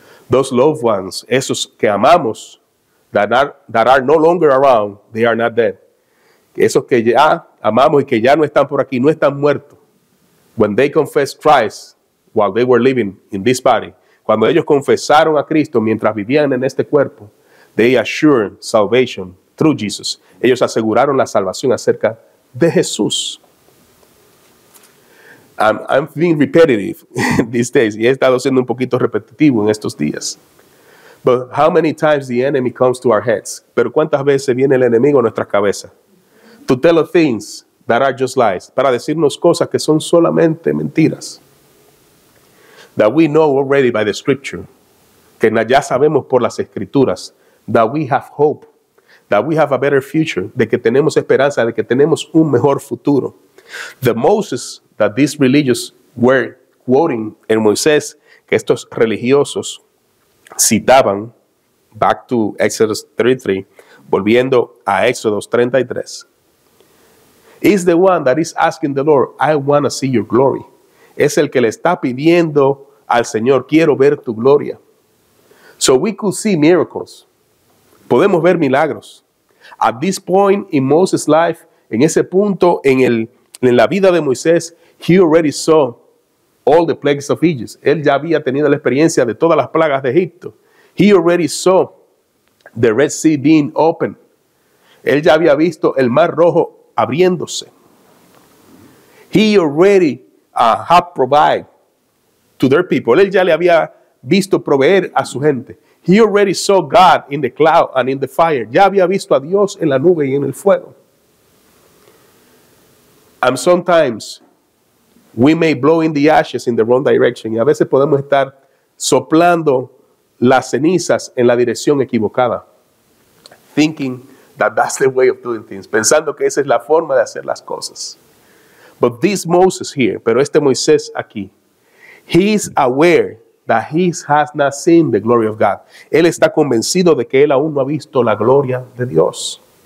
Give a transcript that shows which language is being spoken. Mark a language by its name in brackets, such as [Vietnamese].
[English] Those loved ones, [Spanish] esos que amamos, [English] that are no longer around, they are not dead. [Spanish] Esos que ya amamos y que ya no están por aquí, no están muertos. [English] When they confess Christ while they were living in this body, [Spanish] cuando ellos confesaron a Cristo mientras vivían en este cuerpo, [English] they assured salvation through Jesus. [Spanish] Ellos aseguraron la salvación acerca de Jesús. [English] I'm being repetitive these days. [Spanish] Y he estado siendo un poquito repetitivo en estos días. [English] But how many times the enemy comes to our heads? [Spanish] Pero ¿cuántas veces viene el enemigo a nuestras cabezas? [English] To tell us things that are just lies. [Spanish] Para decirnos cosas que son solamente mentiras. [English] That we know already by the scripture. [Spanish] Que ya sabemos por las escrituras. [English] That we have hope. That we have a better future. [Spanish] De que tenemos esperanza. De que tenemos un mejor futuro. [English] The Moses that these religious were quoting. [Spanish] El Moisés que estos religiosos citaban. [English] Back to Exodus 33. [Spanish] Volviendo a Éxodo 33. [English] Is the one that is asking the Lord, I want to see your glory. Es el que le está pidiendo al Señor, quiero ver tu gloria. So we could see miracles. [Spanish] Podemos ver milagros. [English] At this point in Moses' life, [Spanish] en ese punto en la vida de Moisés, [English] he already saw all the plagues of Egypt. [Spanish] Él ya había tenido la experiencia de todas las plagas de Egipto. [English] He already saw the Red Sea being open. [Spanish] Él ya había visto el Mar Rojo abriéndose. [English] He already had provided to their people. [Spanish] Él ya le había visto proveer a su gente. [English] He already saw God in the cloud and in the fire. [Spanish] Ya había visto a Dios en la nube y en el fuego. [English] And sometimes we may blow in the ashes in the wrong direction. [Spanish] Y a veces podemos estar soplando las cenizas en la dirección equivocada. [English] Thinking that that's the way of doing things. [Spanish] Pensando que esa es la forma de hacer las cosas. [English] But this Moses here, [Spanish] pero este Moisés aquí, [English] he is aware that he has not seen the glory of God. [Spanish] Él está convencido de que él aún no ha visto la gloria de Dios.